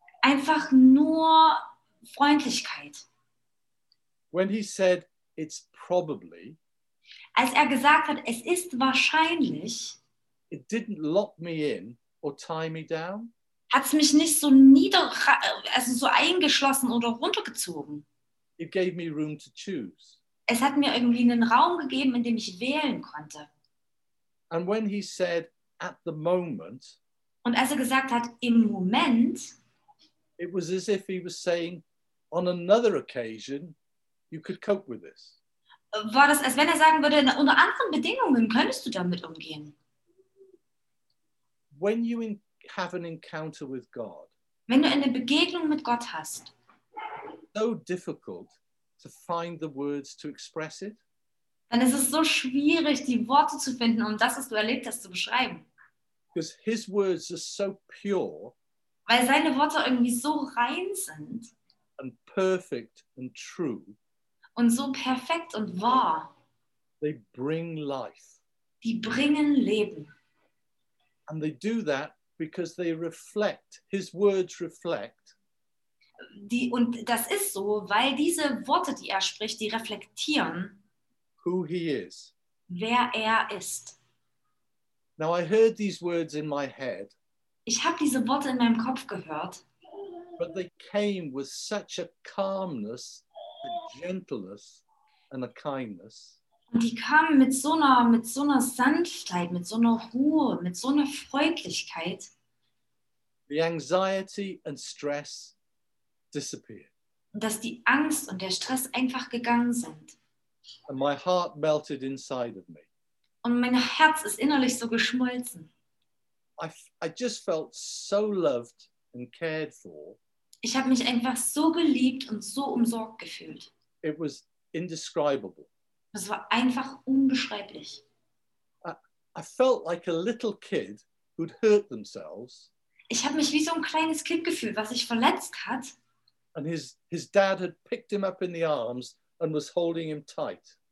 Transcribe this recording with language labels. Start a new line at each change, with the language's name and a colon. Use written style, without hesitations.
German: einfach nur Freundlichkeit.
English: When he said, it's probably,
German: als er gesagt hat, es ist wahrscheinlich,
English: it didn't lock me in or tie me down,
German: hat es mich nicht so nieder, also so eingeschlossen oder runtergezogen.
English: It gave me room to choose.
German: Es hat mir irgendwie einen Raum gegeben, in dem ich wählen konnte.
English: And when he said, at the moment,
German: und als er gesagt hat, im Moment,
English: it was as if he was saying, on another occasion, you could cope with this.
German: War das, als wenn er sagen würde, unter anderen Bedingungen könntest du damit umgehen.
English: When you have an encounter with God,
German: wenn du eine Begegnung mit Gott hast,
English: so difficult to find the words to express it,
German: dann ist es so schwierig, die Worte zu finden, um das, was du erlebt hast, zu beschreiben.
English: Because his words are so pure,
German: weil seine Worte irgendwie so rein sind
English: and perfect and true,
German: und so perfekt und wahr.
English: They bring life.
German: Die bringen Leben.
English: And they do that because they reflect, his words reflect.
German: Die, und das ist so, weil diese Worte, die er spricht, die reflektieren,
English: who he is,
German: wer er ist.
English: Now I heard these words in my head,
German: ich habe diese Worte in meinem Kopf gehört,
English: but they came with such a calmness, a gentleness and a kindness.
German: Und die kamen mit so einer Sanftheit, mit so einer Ruhe, mit so einer Freundlichkeit.
English: The anxiety and stress disappeared.
German: Dass die Angst und der Stress einfach gegangen sind.
English: And my heart melted inside of me.
German: Und mein Herz ist innerlich so geschmolzen.
English: I just felt so loved and cared for.
German: Ich habe mich einfach so geliebt und so umsorgt gefühlt.
English: It was indescribable.
German: Es war einfach unbeschreiblich.
English: I felt like a little kid who'd hurt themselves.
German: Ich habe mich wie so ein kleines Kind gefühlt, was sich verletzt hat.
English: And his dad had picked him up in the arms and was holding him tight.